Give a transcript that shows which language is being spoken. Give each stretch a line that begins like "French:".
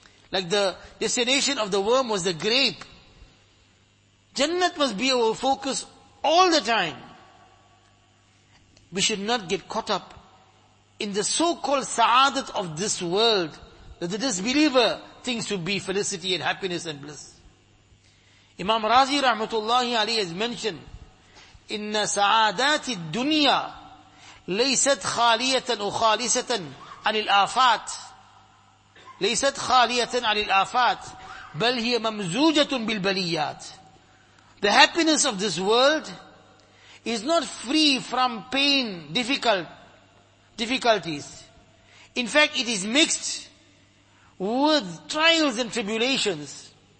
English: Like the destination of the worm was the grape. Jannat must be our focus all the time. We should not get caught up in the so-called sa'adat of this world that the disbeliever thinks to be felicity and happiness and bliss. Imam Razi rahmatullahi alayhi has mentioned,
Arabic: Inna sa'adati dunya ليست خالية أو خالصة عن الآفات ليست خالية عن الآفات بل هي ممزوجة بالبليات.
English: The happiness of this world is not free from pain, difficulties. In fact, it is mixed with trials and tribulations.